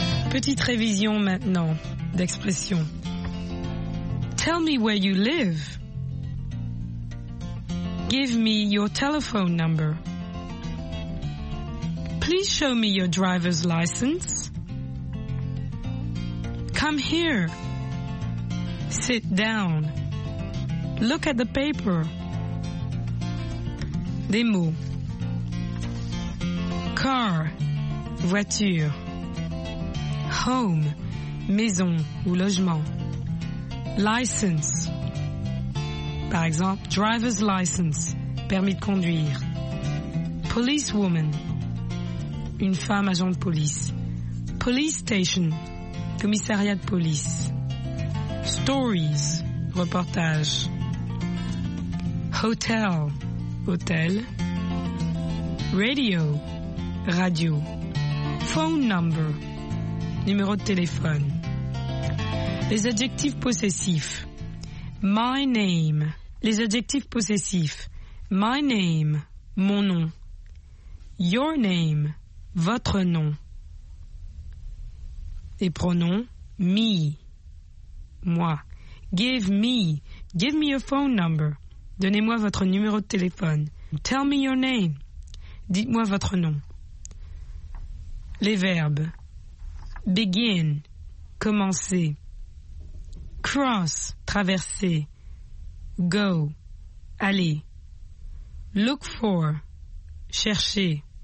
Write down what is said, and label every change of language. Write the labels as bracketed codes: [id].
[fr] Petite révision maintenant d'expression. [en] Tell me where you live. Give me your telephone number. Please show me your driver's license. Come here. Sit down. Look at the paper. [fr] Des mots. Car, voiture. Home, maison ou logement. License. Par exemple, driver's license, permis de conduire. Policewoman, une femme agent de police. Police station, commissariat de police. Stories, reportage. Hotel, hôtel. Radio, radio. Phone number, numéro de téléphone. Les adjectifs possessifs. My name. Les adjectifs possessifs. My name, mon nom. Your name, votre nom. Les pronoms, me, moi. [en] Give me your phone number. [fr] Donnez-moi votre numéro de téléphone. [en] Tell me your name. [fr] Dites-moi votre nom. Les verbes. Begin, commencer. Cross, traverser. Go, aller. Look for, chercher.